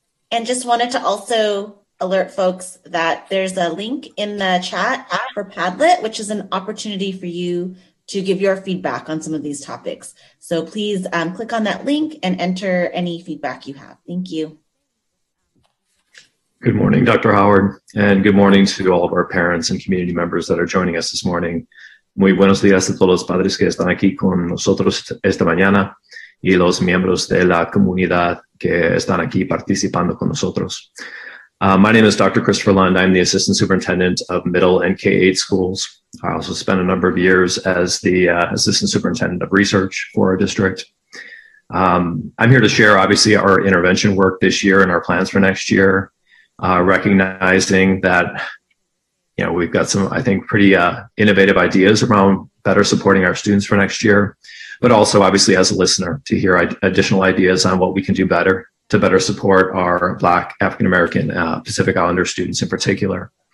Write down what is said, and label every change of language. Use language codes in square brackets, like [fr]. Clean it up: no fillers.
[en] And just wanted to also alert folks that there's a link in the chat for Padlet, which is an opportunity for you to give your feedback on some of these topics. So please click on that link and enter any feedback you have. Thank you. Good morning, Dr. Howard, and good morning to all of our parents and community members that are joining us this morning. [es] Muy buenos días a todos los padres que están aquí con nosotros esta mañana y los miembros de la comunidad que están aquí participando con nosotros. [en] My name is Dr. Christopher Lund. I'm the Assistant Superintendent of Middle and K-8 Schools. I also spent a number of years as the Assistant Superintendent of Research for our district. I'm here to share, obviously, our intervention work this year and our plans for next year, recognizing that, you know, we've got some, I think, pretty innovative ideas around better supporting our students for next year, but also, obviously, as a listener, to hear additional ideas on what we can do better to better support our Black, African-American, Pacific Islander students in particular.